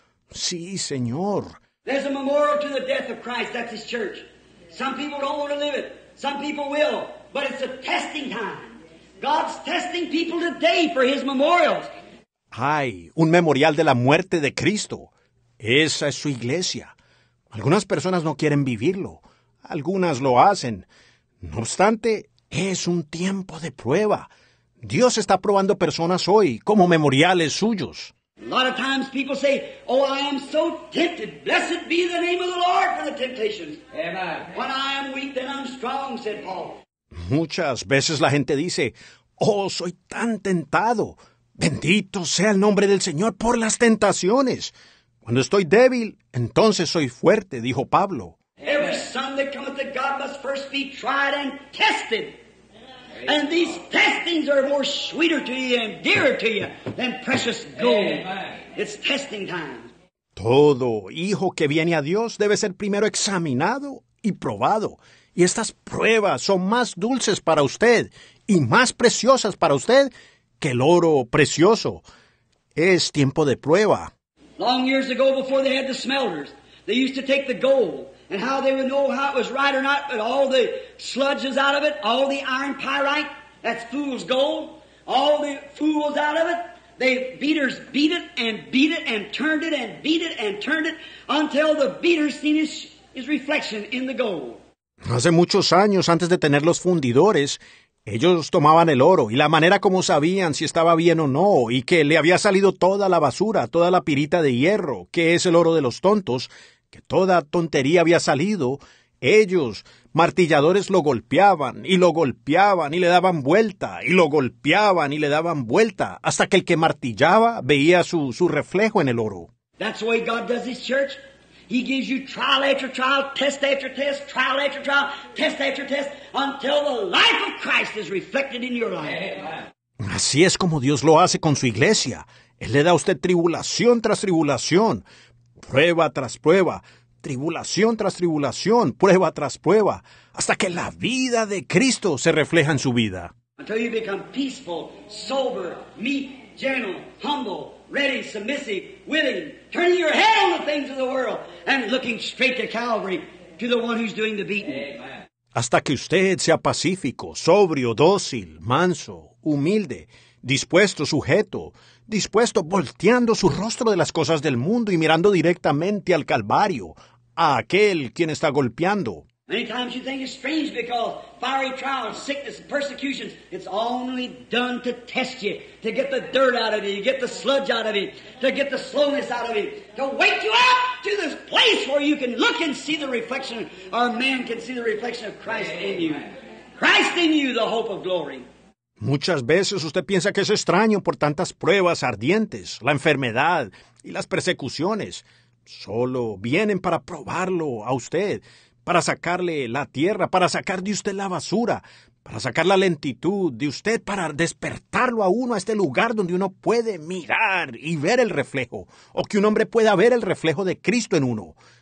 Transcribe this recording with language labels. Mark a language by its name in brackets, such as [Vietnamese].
[Spanish] Sí, Señor. [English] There's a memorial to the death of Christ. That's his church. Some people don't want to live it. Some people will. But it's a testing time. God's testing people today for his memorials. [Spanish] Hay un memorial de la muerte de Cristo. Esa es su iglesia. Algunas personas no quieren vivirlo. Algunas lo hacen. No obstante, es un tiempo de prueba. Dios está probando personas hoy como memoriales suyos. [English] A lot of times people say, oh, I am so tempted. Blessed be the name of the Lord for the temptations. Amen. When I am weak, then I'm strong, said Paul. [Spanish] Muchas veces la gente dice, oh, soy tan tentado. Bendito sea el nombre del Señor por las tentaciones. Cuando estoy débil, entonces soy fuerte, dijo Pablo. [English] Every son that cometh to God must first be tried and tested. And these testings are more sweeter to you and dearer to you than precious gold. It's testing time. [Spanish] Todo hijo que viene a Dios debe ser primero examinado y probado. Y estas pruebas son más dulces para usted y más preciosas para usted que el oro precioso. Es tiempo de prueba. [English] Long years ago, before they had the smelters, they used to take the gold. And how they would know how it was right or not, but all the sludges out of it, all the iron pyrite, that's fool's gold, all the fools out of it, the beaters beat it and beat it and turned it and beat it and turned it until the beater seen his reflection in the gold. [Spanish] Hace muchos años, antes de tener los fundidores, ellos tomaban el oro y la manera como sabían si estaba bien o no y que le había salido toda la basura, toda la pirita de hierro, que es el oro de los tontos, que toda tontería había salido, ellos, martilladores, lo golpeaban y lo golpeaban y le daban vuelta y lo golpeaban y le daban vuelta hasta que el que martillaba veía su reflejo en el oro. [English] That's the way God does his church. He gives you trial after trial, test after test, trial after trial, test after test, until the life of Christ is reflected in your life. [Spanish] Así es como Dios lo hace con su iglesia. Él le da a usted tribulación tras tribulación. Prueba tras prueba, tribulación tras tribulación, prueba tras prueba, hasta que la vida de Cristo se refleja en su vida. [English] Until you become peaceful, sober, meek, gentle, humble, ready, submissive, willing, turning your head on the things of the world and looking straight to Calvary, to the one who's doing the beating. Amen. [Spanish] Hasta que usted sea pacífico, sobrio, dócil, manso, humilde, dispuesto, sujeto, dispuesto, volteando su rostro de las cosas del mundo y mirando directamente al Calvario, a aquel quien está golpeando. [English] Many times you think it's strange because fiery trials, sickness, persecutions, it's only done to test you, to get the dirt out of you, to get the sludge out of you, to get the slowness out of you, to wake you up to this place where you can look and see the reflection, or man can see the reflection of Christ in you. Christ in you, the hope of glory. [Spanish] Muchas veces usted piensa que es extraño por tantas pruebas ardientes, la enfermedad y las persecuciones. Solo vienen para probarlo a usted, para sacarle la tierra, para sacar de usted la basura, para sacar la lentitud de usted, para despertarlo a uno a este lugar donde uno puede mirar y ver el reflejo, o que un hombre pueda ver el reflejo de Cristo en uno.